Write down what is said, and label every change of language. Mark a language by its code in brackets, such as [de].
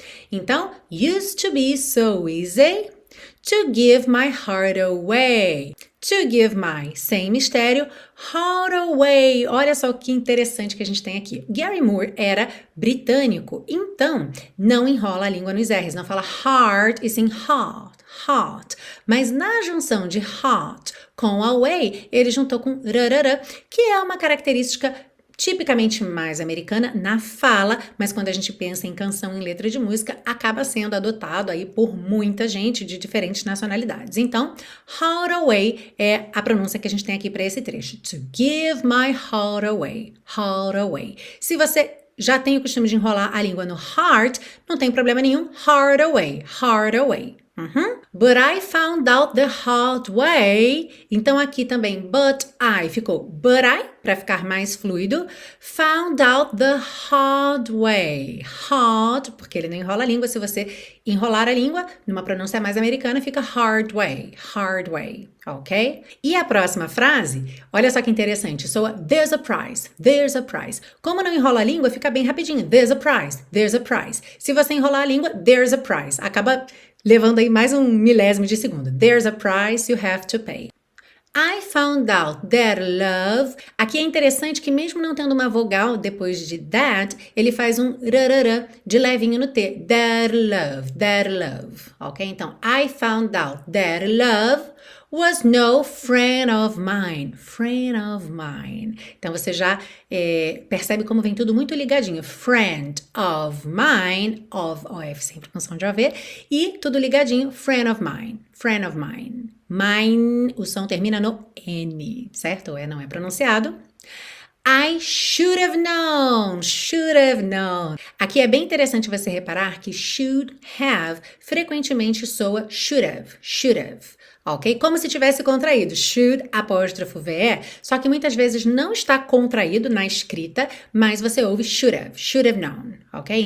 [pt] Então, [en] used to be so easy to give my heart away. To give my, [pt] sem mistério, [en] heart away. [pt] Olha só que interessante que a gente tem aqui. Gary Moore era britânico, então não enrola a língua nos R's, não fala heart e sim heart, heart. Mas na junção de heart com away, ele juntou com rarara, que é uma característica tipicamente mais americana na fala, mas quando a gente pensa em canção em letra de música, acaba sendo adotado aí por muita gente de diferentes nacionalidades. Então, heart away é a pronúncia que a gente tem aqui para esse trecho. [en] To give my heart away. Heart away. [pt] Se você já tem o costume de enrolar a língua no heart, não tem problema nenhum. [en] Heart away. Heart away. But I found out the hard way. [pt] Então aqui também, but I ficou but I, para ficar mais fluido. [en] Found out the hard way. [pt] Hard, porque ele não enrola a língua. Se você enrolar a língua, numa pronúncia mais americana, fica [en] hard way. Hard way. [pt] Ok? E a próxima frase, olha só que interessante, soa [en] there's a prize. There's a prize. [pt] Como não enrola a língua, fica bem rapidinho. [en] There's a prize. There's a prize. [pt] Se você enrolar a língua, [en] there's a prize. [pt] Acaba levando aí mais um milésimo de segundo. [en] There's a price you have to pay. I found out that love. [pt] Aqui é interessante que, mesmo não tendo uma vogal depois de that, ele faz um rarara de levinho no T. [en] That love, ok? Então, I found out that love was no friend of mine. Friend of mine. [pt] Então, você já percebe como vem tudo muito ligadinho. Friend of mine. Of, OF, sempre com som de OV. E tudo ligadinho. [en] Friend of mine. Friend of mine. [pt] Mine, o som termina no N, certo? É, não é pronunciado. [en] I should have known, should have known. [pt] Aqui é bem interessante você reparar que should have frequentemente soa should have, ok? Como se tivesse contraído, should, apóstrofo VE, só que muitas vezes não está contraído na escrita, mas você ouve [en] should have known, [pt] ok?